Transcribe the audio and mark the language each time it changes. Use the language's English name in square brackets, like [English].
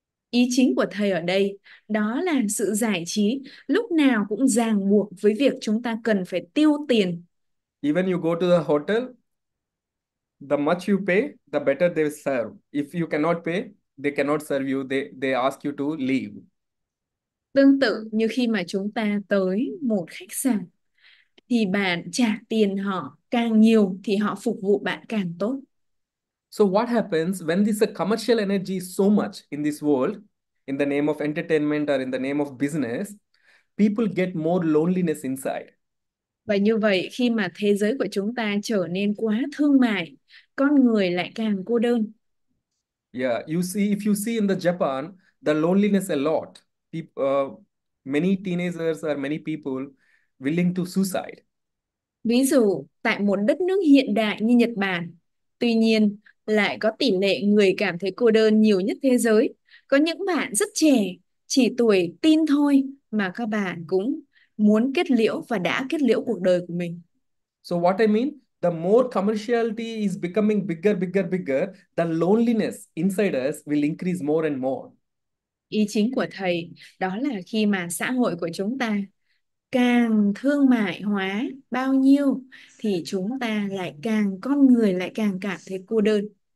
[Vietnamese] Ý chính của thầy ở đây đó là sự giải trí lúc nào cũng ràng buộc với việc chúng ta cần phải tiêu tiền. [English] Even you go to the hotel, the much you pay, the better they serve. If you cannot pay, they cannot serve you. They ask you to leave. [Vietnamese] Tương tự như khi mà chúng ta tới một khách sạn thì bạn trả tiền họ càng nhiều thì họ phục vụ bạn càng tốt. [English] So what happens when this commercial energy is so much in this world, in the name of entertainment or in the name of business, people get more loneliness inside. [Vietnamese] Và như vậy khi mà thế giới của chúng ta trở nên quá thương mại, con người lại càng cô đơn. [English] Yeah, you see, if you see in the Japan, the loneliness a lot. Many teenagers or many people willing to suicide. [Vietnamese] Ví dụ, tại một đất nước hiện đại như Nhật Bản, tuy nhiên lại có tỷ lệ người cảm thấy cô đơn nhiều nhất thế giới. Có những bạn rất trẻ, chỉ tuổi teen thôi, mà các bạn cũng muốn kết liễu và đã kết liễu cuộc đời của mình. [English] So what I mean, the more commerciality is becoming bigger, bigger, bigger, the loneliness inside us will increase more and more. [Vietnamese] Ý chính của thầy đó là khi mà xã hội của chúng ta càng thương mại hóa bao nhiêu thì chúng ta lại càng con người lại càng cảm thấy cô đơn.